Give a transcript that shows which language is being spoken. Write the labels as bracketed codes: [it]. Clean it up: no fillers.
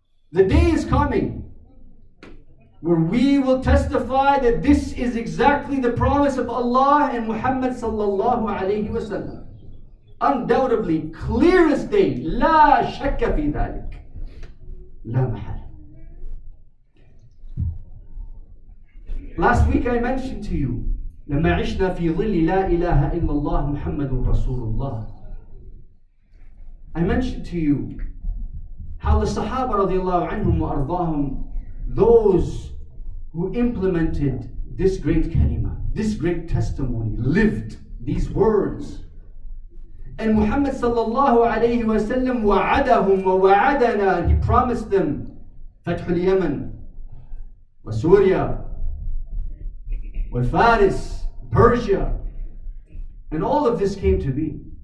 [en] The day is coming where we will testify that this is exactly the promise of Allah and Muhammad sallallahu alayhi wa sallam. Undoubtedly, clear as day, [ar] لا شك في ذلك. لا محل. [en] Last week I mentioned to you, [ar] لما عشنا في ظل لا إله إلا الله محمد رسول الله. [en] I mentioned to you how the Sahaba [ar] رضي الله عنهم وأرضاهم, [en] those who implemented this great kalima, this great testimony, lived these words. And Muhammad sallallahu alayhi wa sallam wa'adahum wa wa'adana, and he promised them Fathul Yemen wa Surya wal Faris, Persia, and all of this came to be.